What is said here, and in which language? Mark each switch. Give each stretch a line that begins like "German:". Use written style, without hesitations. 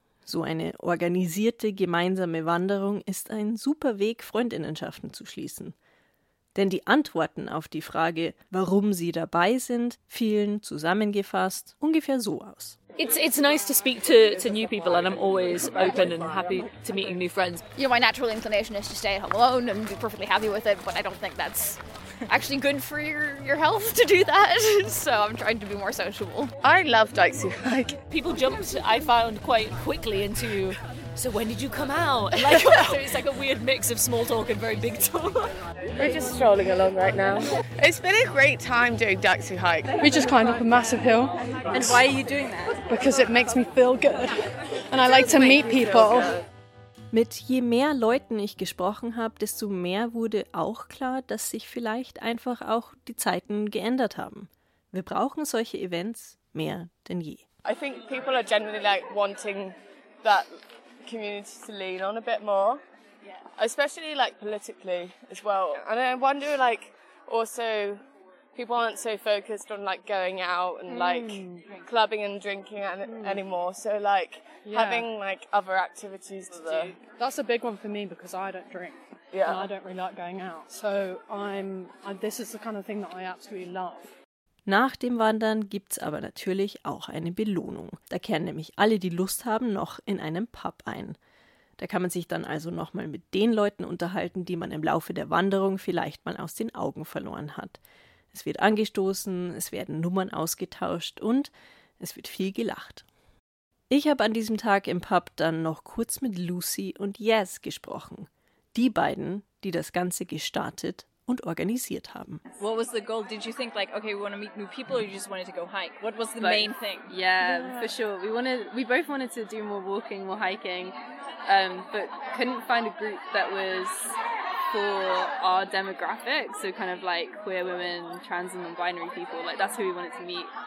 German: So eine organisierte gemeinsame Wanderung ist ein super Weg, Freundinnenschaften zu schließen. Denn die Antworten auf die Frage, warum sie dabei sind, fielen zusammengefasst ungefähr so aus.
English: It's nice to speak to new people, and I'm always open and happy to meeting new friends. You know, my natural inclination is to stay at home alone and be perfectly happy with it, but I don't think that's actually good for your health to do that. So I'm trying to be more sociable. I love Dykes Who Hike. People jumped, I found, quite quickly into, so when did you come out? And like, so it's like a weird mix of small talk and very big talk. We're just strolling along right now. It's been a great time doing Dykes Who Hike. We just climbed up a massive hill. And why are you doing that? Because it makes me feel good. And I like to meet people.
German: Mit je mehr Leuten ich gesprochen habe, desto mehr wurde auch klar, dass sich vielleicht einfach auch die Zeiten geändert haben. Wir brauchen solche Events mehr denn je.
English: I think people are generally like wanting that community to lean on a bit more. Especially like politically as well. And I wonder, like, also people aren't so focused on like going out and like clubbing and drinking anymore. So like having like other activities to do. That's a big one for me because I don't drink. Yeah. And I don't really like going out. So this is the kind of thing that I absolutely love.
German: Nach dem Wandern gibt's aber natürlich auch eine Belohnung. Da kehren nämlich alle, die Lust haben, noch in einem Pub ein. Da kann man sich dann also nochmal mit den Leuten unterhalten, die man im Laufe der Wanderung vielleicht mal aus den Augen verloren hat. Es wird angestoßen, es werden Nummern ausgetauscht und es wird viel gelacht. Ich habe an diesem Tag im Pub dann noch kurz mit Lucy und Jazz gesprochen. Die beiden, die das Ganze gestartet und organisiert haben.
English: What was the goal? Did you think like, okay, we want to meet new people or you just wanted to go hike? What was the main thing? Yeah, for sure. We both wanted to do more walking, more hiking, but couldn't find a group that was... for our demographic, so kind of like queer women, trans and non-binary people, like that's who we wanted to meet.